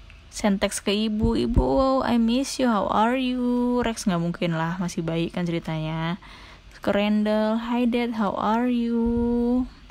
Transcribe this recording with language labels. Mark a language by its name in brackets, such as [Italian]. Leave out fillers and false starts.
[English] Sentex [Indonesian] ke ibu, [English] I miss you, how are you? [Indonesian] Rex gak mungkin lah, masih bayi kan ceritanya. [English] Ke Randall, hi dad, how are you?